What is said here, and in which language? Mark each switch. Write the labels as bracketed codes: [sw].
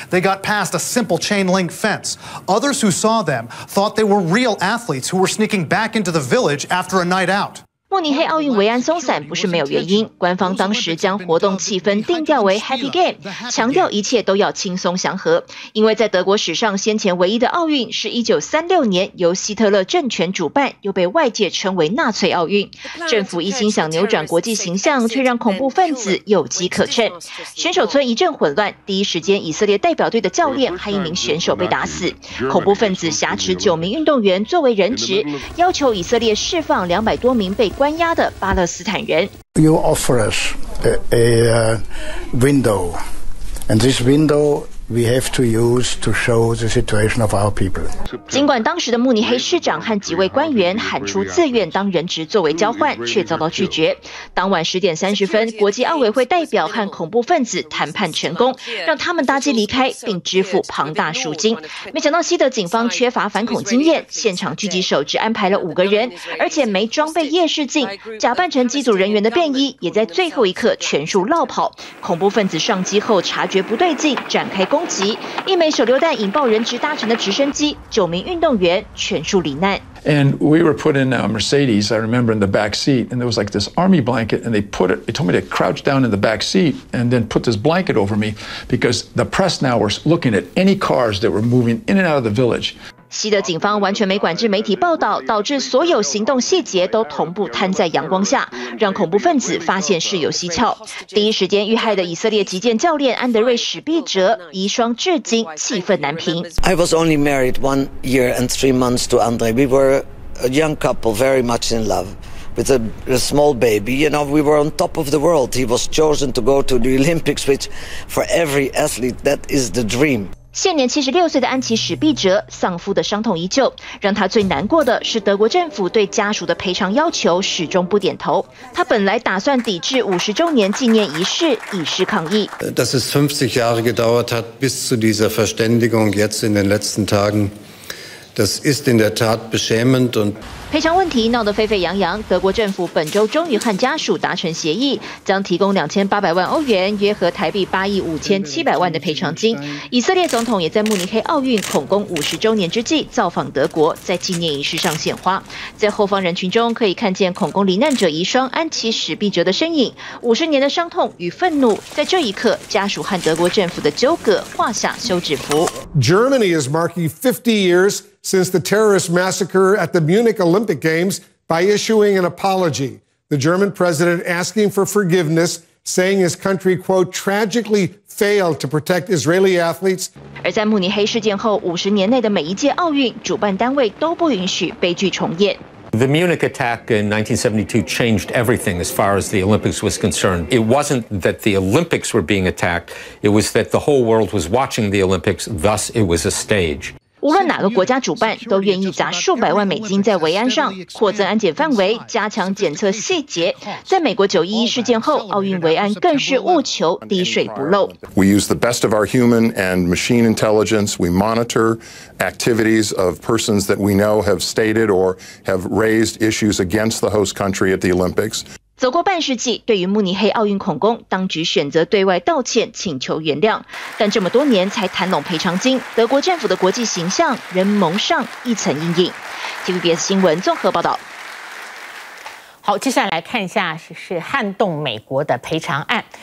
[en] They got past a simple chain link fence. Others who saw them thought they were real athletes who were sneaking back into the village after a night. [zh] 慕尼黑奥运围安松散不是没有原因，官方当时将活动气氛定调为 [en] Happy Game， [zh] 强调一切都要轻松祥和。因为在德国史上先前唯一的奥运是1936年由希特勒政权主办，又被外界称为纳粹奥运。政府一心想扭转国际形象，却让恐怖分子有机可乘。选手村一阵混乱，第一时间以色列代表队的教练和一名选手被打死，恐怖分子挟持9名运动员作为人质，要求以色列释放200多名被关押的巴勒斯坦人。 [en] You offer us a window, and this window we have to use to show the situation of our people. [zh] 尽管当时的慕尼黑市长和几位官员喊出自愿当人质作为交换，却遭到拒绝。当晚10点30分，国际奥委会代表和恐怖分子谈判成功，让他们搭机离开，并支付庞大赎金。没想到西德警方缺乏反恐经验，现场狙击手只安排了5个人，而且没装备夜视镜，假扮成机组人员的便衣也在最后一刻全数落跑。恐怖分子上机后察觉不对劲，展开攻击，一枚手榴弹引爆人质搭乘的直升机，9名运动员全数罹难。 [en] And we were put in a Mercedes, I remember, in the back seat, and there was like this army blanket, and they told me to crouch down in the back seat and then put this blanket over me because the press now were looking at any cars that were moving in and out of the village. [zh] 西德警方完全没管制媒体报道，导致所有行动细节都同步摊在阳光下，让恐怖分子发现事有蹊跷。第一时间遇害的以色列击剑教练安德瑞·史毕哲遗孀至今气愤难平。 [en] I was only married 1 year and 3 months to Andre. We were a young couple, very much in love, with a small baby. You know, we were on top of the world. He was chosen to go to the Olympics, which for every athlete that is the dream. [zh] 现年76岁的安琪史毕哲，丧夫的伤痛依旧。让他最难过的是，德国政府对家属的赔偿要求始终不点头。他本来打算抵制50周年纪念仪式，以示抗议。 [de] Dass es 50 Jahre gedauert hat bis zu dieser Verständigung jetzt in den letzten Tagen, das ist in der Tat beschämend und [zh] 赔偿问题闹得沸沸扬扬，德国政府本周终于和家属达成协议，将提供2800万欧元，约合台币8亿5700万的赔偿金。以色列总统也在慕尼黑奥运恐攻50周年之际造访德国，在纪念仪式上献花。在后方人群中，可以看见恐攻罹难者遗孀安琪史毕哲的身影。 50年的伤痛与愤怒，在这一刻，家属和德国政府的纠葛画下休止符。 [en] Germany is marking 50 years. Since the terrorist massacre at the Munich Olympic Games by issuing an apology. The German president asking for forgiveness, saying his country, quote, tragically failed to protect Israeli athletes. [zh] 而在慕尼黑事件后50年内的每一届奥运主办单位都不允许悲剧重演。 [en] The Munich attack in 1972 changed everything as far as the Olympics was concerned. It wasn't that the Olympics were being attacked. It was that the whole world was watching the Olympics. Thus, it was a stage. [zh] 无论哪个国家主办，都愿意砸数百万美金在维安上，扩增安检范围，加强检测细节。在美国911事件后，奥运维安更是务求滴水不漏。 [en] We use the best of our human and machine intelligence. We monitor activities of persons that we know have stated or have raised issues against the host country at the Olympics. [zh] 走过半世纪，对于慕尼黑奥运恐攻，当局选择对外道歉，请求原谅。但这么多年才谈拢赔偿金，德国政府的国际形象仍蒙上一层阴影。 TVBS 新闻综合报道。好，接下来看一下是撼动美国的赔偿案。